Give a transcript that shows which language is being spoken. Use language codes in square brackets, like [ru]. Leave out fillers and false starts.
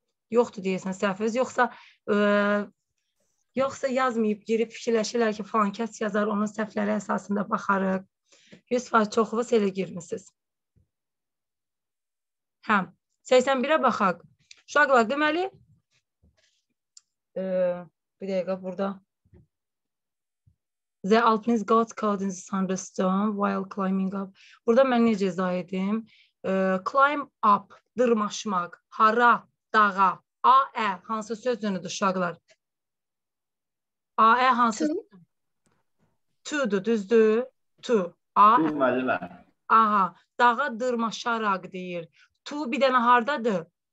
[az] Yoxdur deyirsən səhviniz. Yoxsa yoxsa yazmayıb girib fikirləşirlər ki, falan kəs yazar, onun səhvləri əsasında baxarıq. 100% çoxunuz elə girmişsiniz. Hə, 81'e baxaq. Uşaqlar, deməli, bir dəqiqə burada. [en] The alpinist got caught in the thunderstorm while climbing up. [az] Burada mən necə izah edeyim? Climb up, dırmaşmaq. Hara, dağa. A-ə, hansı söz dönüdür uşaqlar? A-ə, hansı to. To-dur, düzdür. To. A müəllimə. Aha, dağa dırmaşaraq deyir. To bir dənə hardadır?